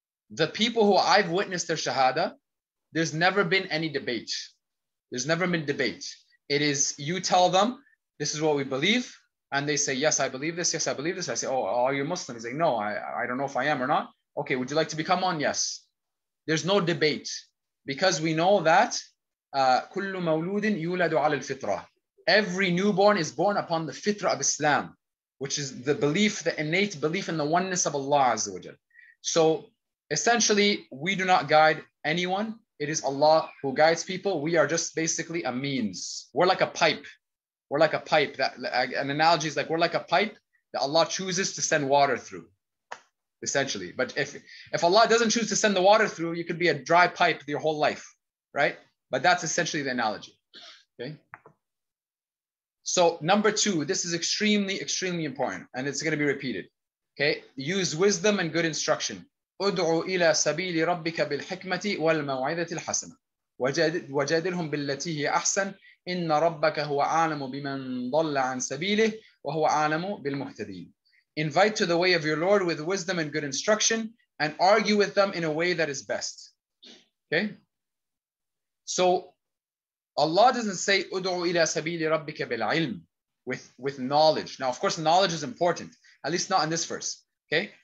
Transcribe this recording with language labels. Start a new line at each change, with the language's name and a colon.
English: The people who I've witnessed their shahada, there's never been any debate. There's never been debate. It is, you tell them, this is what we believe. And they say, yes, I believe this. Yes, I believe this. I say, oh, are you Muslim? He's like, no, I don't know if I am or not. Okay, would you like to become one? Yes. There's no debate. Because we know that,
Arabic: كُلُّ مَوْلُودٍ يُولَدُ عَلَى الْفِطْرَةِ.
English: Every newborn is born upon the fitrah of Islam, which is the belief, the innate belief in the oneness of Allah Azza wa Jal. So essentially, we do not guide anyone. It is Allah who guides people. We are just basically a means. We're like a pipe. We're like a pipe. An analogy is like, we're like a pipe that Allah chooses to send water through, essentially. But if Allah doesn't choose to send the water through, you could be a dry pipe your whole life, right? But that's essentially the analogy, okay? So number two, this is extremely, extremely important, and it's going to be repeated. Okay, use wisdom and good instruction.
Arabic: ادعوا إلى سبيل ربك بالحكمة والموعظة الحسنة. وجادلهم بالتي هي أحسن. إن ربك هو أعلم بمن ضل عن سبيله وهو أعلم بالمهتدين.
English: Invite to the way of your Lord with wisdom and good instruction and argue with them in a way that is best. Okay? So Allah doesn't say
Arabic: ادعوا إلى سبيل ربك بالعلم,
English: with knowledge. Now, of course, knowledge is important, at least not in this verse. Okay?